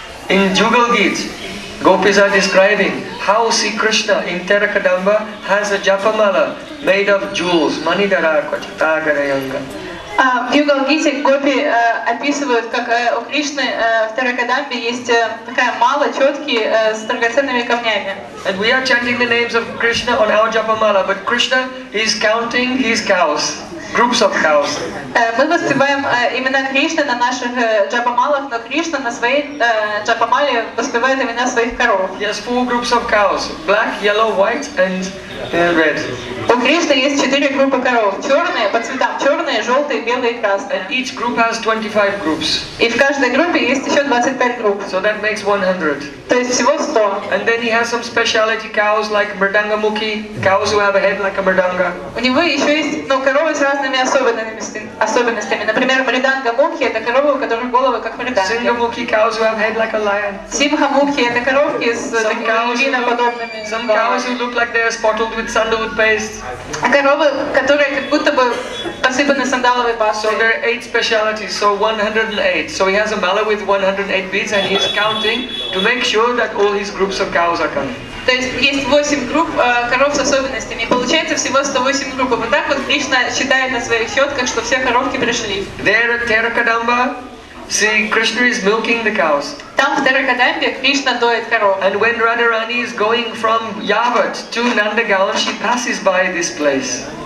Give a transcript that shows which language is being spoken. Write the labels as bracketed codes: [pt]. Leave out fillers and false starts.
[en] In Jugal Geet, gopis are describing how Sri Krishna in Terakadamba has a japamala made of jewels, mani darakva chitagarayanga. [ru] В Югалгите гопи описывают, как у Кришны в Таракадамбе есть такая мала, четкий, с драгоценными камнями. [en] And we are chanting the names of Krishna on our japamala, but Krishna is counting his cows, groups of cows. [ru] Мы воспеваем имена Кришны на наших джапамалах, но Кришна на своей джапамале воспевает имена своих коров. [en] Yes, four groups of cows: black, yellow, white, and red. [ru] У Кришны есть четыре группы коров: черные по цветам, черные, желтые, белые и красные. [en] And each group has 25 groups. [ru] И в каждой группе есть еще 25 групп. [en] So that makes 100. [ru] То есть всего 100. [en] And then he has some specialty cows like mridangamukhi, cows who have a head like a mridanga. [ru] У него еще есть, ну, коровы с разными особенностями. Например, мридангамукхи — это коровы, у которых головы как мриданги. [en] Сингамукхи — cows who have head like a lion. [ru] Симхамукхи — это коровки с львиноподобными. [en] Some cows who look like they are spotted with sandalwood paste. [ru] А коровы, которые как будто бы посыпаны сандаловой пастой. [en] So there are 8 specialties, so 108. So he has a mala with 108 beads and he is counting to make sure that all his groups of cows are coming. [ru] То есть есть 8 групп коров с особенностями. Получается всего 108 групп. Вот так вот Кришна считает на своих щетках, что все коровки пришли. [en] There at Terakadamba, see, Krishna is milking the cows. [ru] Там, в Таракадамбе, Кришна доит коров. [en] And when Radharani is going from Yavat to Nandagaon, she passes by this place.